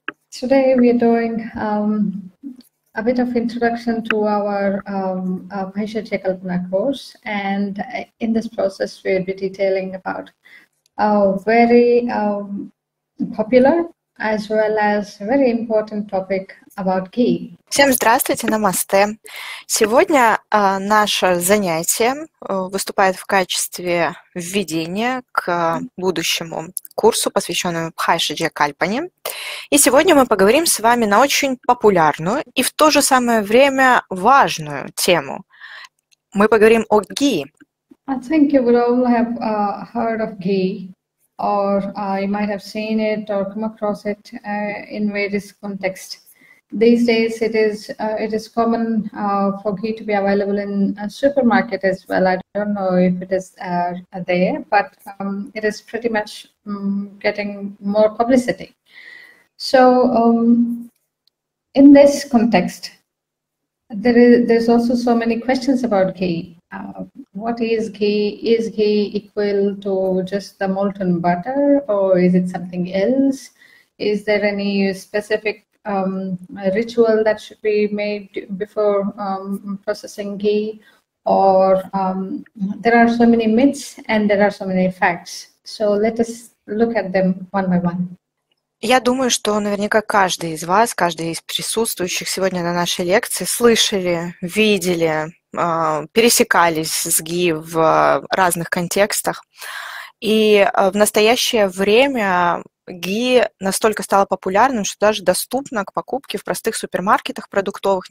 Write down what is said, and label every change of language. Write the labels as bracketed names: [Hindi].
[English] Today we are doing a bit of introduction to our Bhaisya Kalpana course, and in this process we will be detailing about a very popular as well as very important topic about ghee. [Russian] Всем здравствуйте, намасте. Сегодня наше занятие выступает в качестве введения к будущему курсу, посвященному Бхайшаджа Кальпани. И сегодня мы поговорим с вами на очень популярную и в то же самое время важную тему. Мы поговорим о ги. [English] I think you would all have heard of ghee, or you might have seen it or come across it in various contexts. These days it is common for ghee to be available in a supermarket as well. I don't know if it is there, but it is pretty much getting more publicity. So in this context, there's also so many questions about ghee. What is ghee? Is ghee equal to just the molten butter, or is it something else? Is there any specific a ritual that should be made before processing ghee, or there are so many myths and there are so many facts. So let us look at them one by one. [Russian] Я думаю, что наверняка каждый из вас, каждый из присутствующих сегодня на нашей лекции слышали, видели, пересекались с ги в разных контекстах. И в настоящее время ги настолько стало популярным, что даже доступно к покупке в простых супермаркетах продуктовых.